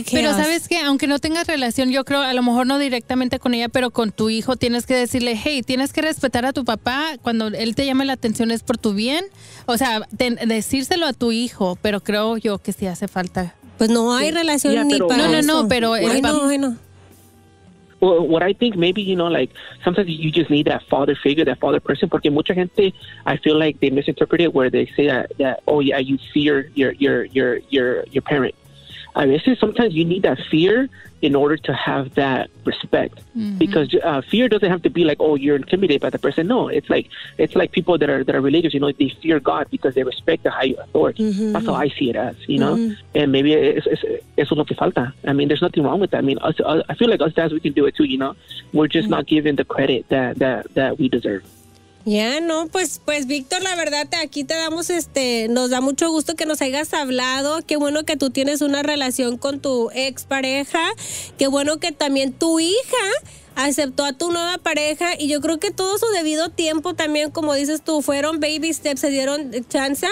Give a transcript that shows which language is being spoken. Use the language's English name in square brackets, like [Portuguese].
[Spanish] Pero sabes que, aunque no tengas relación, yo creo, a lo mejor no directamente con ella, pero con tu hijo, tienes que decirle, hey, tienes que respetar a tu papá. Cuando él te llame la atención es por tu bien. O sea, decírselo a tu hijo, pero creo yo que sí hace falta. Pues no hay relación ni para eso. No, pero... Ay, no. [English] what I think, maybe, you know, like, sometimes you just need that father figure, that father person, [Spanish] porque mucha gente, [English] I feel like they misinterpret it where they say that oh yeah, you fear your parent. I mean, it's just sometimes you need that fear in order to have that respect. Mm-hmm. Because fear doesn't have to be like, oh, you're intimidated by the person. No, it's like people that are religious, you know, they fear God because they respect the high authority. Mm-hmm. That's how I see it as, you know. Mm-hmm. And maybe it's [Spanish] lo que falta. [English] I mean, there's nothing wrong with that. I mean, us, I feel like us dads, we can do it too, you know. We're just mm-hmm. not given the credit that we deserve. [Spanish] Ya, no, pues Víctor, la verdad, aquí te damos, nos da mucho gusto que nos hayas hablado. Qué bueno que tú tienes una relación con tu expareja. Qué bueno que también tu hija aceptó a tu nueva pareja. Y yo creo que todo su debido tiempo también, como dices tú, fueron [English] baby steps, [Spanish] se dieron chance.